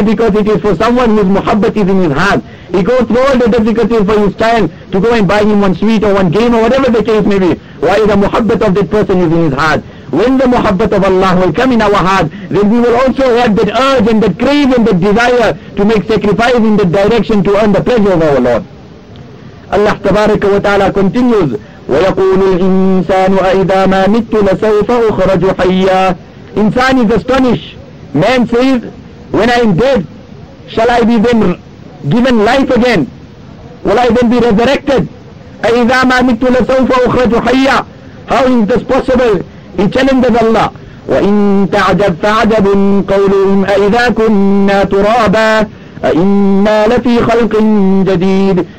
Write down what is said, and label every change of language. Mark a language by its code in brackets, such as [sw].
[en] Because it is for someone whose muhabbat is in his heart. He goes through all the difficulties for his child to go and buy him one sweet or one game or whatever the case may be. Why? The muhabbat of that person is in his heart. When the muhabbat of Allah will come in our heart, then we will also have that urge and that crave and that desire to make sacrifice in that direction to earn the pleasure of our Lord. Allah tabaraka wa ta'ala continues, [ar] وَيَقُولُ الْإِنسَانُ أَإِذَا مَا مِتُّ لَسَوْفَ أُخْرَجُ حَيَّا. [en] Insan is astonished. Man says, when I am dead, shall I be then given life again? Will I then be resurrected? [ar] أَإِذَا مَا مِتُّ لَسَوْفَ أُخْرَجُ حَيَّا. [en] How is this possible? He challenges Allah. [ar] وَإِن تَعْجَبْ فَعَجَبٌ قَوْلُهُمْ أَإِذَا كُنَّا تُرَابًا أَإِنَّا لَفِي خَلْقٍ جَدِيدٍ.